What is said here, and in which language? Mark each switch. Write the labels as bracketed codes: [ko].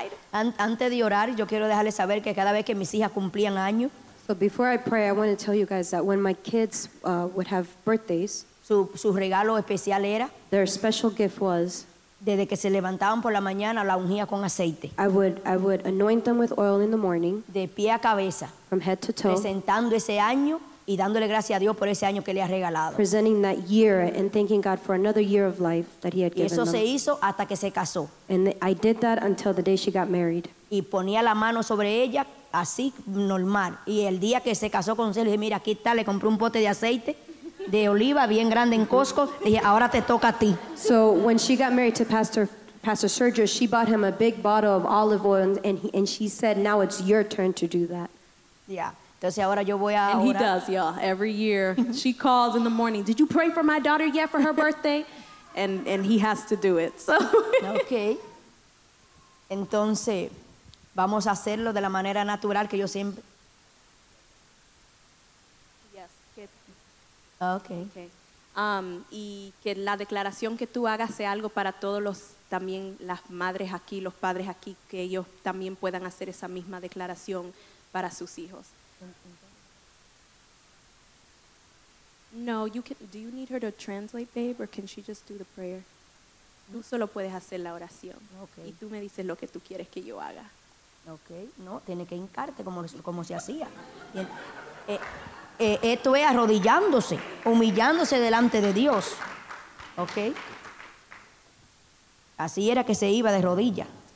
[es] Antes de orar, yo quiero dejarles saber que cada vez que mis hijas cumplían años, [en] so before I pray, I want to tell you guys that when my kids would have birthdays, [es] su regalo especial era, [en] their special gift was, [es] desde que se levantaban por la mañana, la ungía con aceite. [en] I would anoint them with oil in the morning, [es] de pie a cabeza, [en] from head to toe, [es] presentando ese año y dándole gracias a Dios por ese año que le ha regalado. [en] Presenting that year and thanking God for another year of life that he had given them. [es] Eso se hizo hasta que se casó. [en] And I did that until the day she got married. [es] Y ponía la mano sobre ella, así normal. Y el día que se casó con Sergio, dije, mira, aquí está, le compré un pote de aceite de oliva bien grande en Costco. Dije, ahora te toca a ti. [en] So when she got married to Pastor Sergio, she bought him a big bottle of olive oil and she said, now it's your turn to do that. [es] Yeah. Entonces ahora yo voy a [en] and [es] orar. [en] He does, y'all. Every year, she calls in the morning, did you pray for my daughter yet for her birthday? And he has to do it. So. [es] Okay. Entonces... vamos a hacerlo de la manera natural que yo siempre. [en] Yes. Okay. [es] Y que la declaración que tú hagas sea algo para todos los también las madres aquí, los padres aquí, que ellos también puedan hacer esa misma declaración para sus hijos. [en] No, you can. Do you need her to translate, babe, or can she just do the prayer? [es] Tú solo puedes hacer la oración. [en] Okay. [es] Y tú me dices lo que tú quieres que yo haga. Okay, no, tiene que hincarte como se hacía. Esto es arrodillándose, humillándose delante de Dios. Okay. Así era que se iba de rodillas.